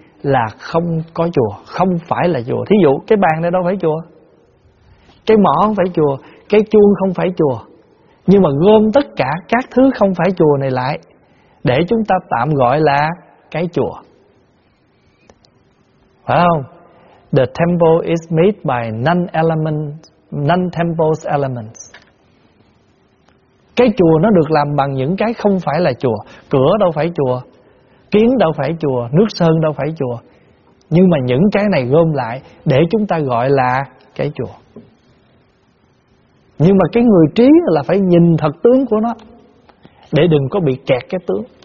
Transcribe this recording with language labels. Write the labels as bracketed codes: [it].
[vi] Là không có chùa, không phải là chùa. Thí dụ cái bàn này đâu phải chùa, cái mỏ không phải chùa, cái chuông không phải chùa, nhưng mà gom tất cả các thứ không phải chùa này lại để chúng ta tạm gọi là cái chùa, phải không? [en] The temple is made by non-temple's elements. [vi] Cái chùa nó được làm bằng những cái không phải là chùa. Cửa đâu phải chùa, kiến đâu phải chùa, nước sơn đâu phải chùa, nhưng mà những cái này gom lại để chúng ta gọi là cái chùa. Nhưng mà cái người trí là phải nhìn thật tướng của nó, để đừng có bị kẹt cái tướng.